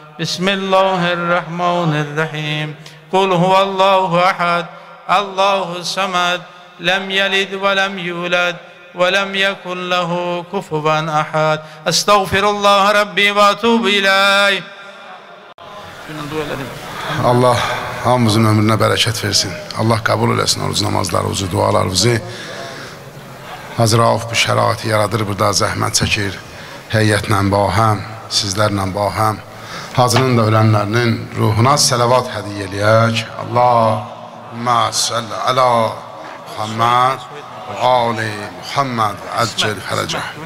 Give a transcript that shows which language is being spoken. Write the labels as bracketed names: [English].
[Arabic] بِسْمِ اللَّهِ الرَّحْمَنِ الرَّحِيمِ. قُلْ هُوَ اللَّهُ أَحَدْ اللَّهُ الصَّمَدْ لَمْ يَلِدْ وَلَمْ يُولَدْ وَلَمْ يَكُنْ لَهُ كُفُوًا أَحَدْ. أَسْتَغْفِرُ اللَّهَ رَبِّي وَأَتُوبُ إِلَيْهِ. [Azerbaijani] الله hamımızın ömrüne bereket versin. Allah kabul eylesin oruç namazlarımızı, dualarımızı. Hazır Rauf bu şerahatı yaradır, burada zahmet çekir. Heyyətlə bahəm, sizlərlə bahəm, hazırın da ölənlərinin ruhuna sələvat hədiyə eləyək. [Arabic] Allahümme səllə alə Muhammed və ali Muhammed əccəl fərəcə.